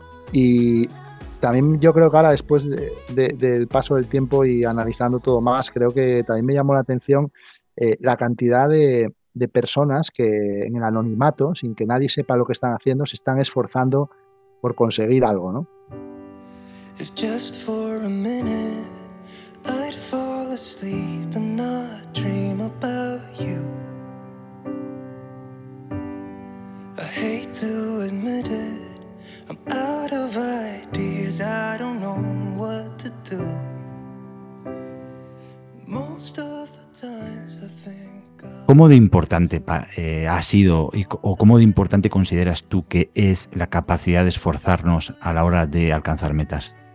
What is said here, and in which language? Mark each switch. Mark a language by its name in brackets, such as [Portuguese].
[Spanish] Y también yo creo que ahora, después del paso del tiempo y analizando todo más, creo que también me llamó la atención la cantidad de personas que en el anonimato, sin que nadie sepa lo que están haciendo, se están esforzando por conseguir algo, ¿no? [English] If just for a minute I'd fall asleep and not dream about you. I hate to admit it, I'm out of ideas, I don't know what to do. Most of the times I think. [Spanish] ¿Cómo de importante ha sido o cómo de importante consideras tú que es la capacidad de esforzarnos a la hora de alcanzar metas?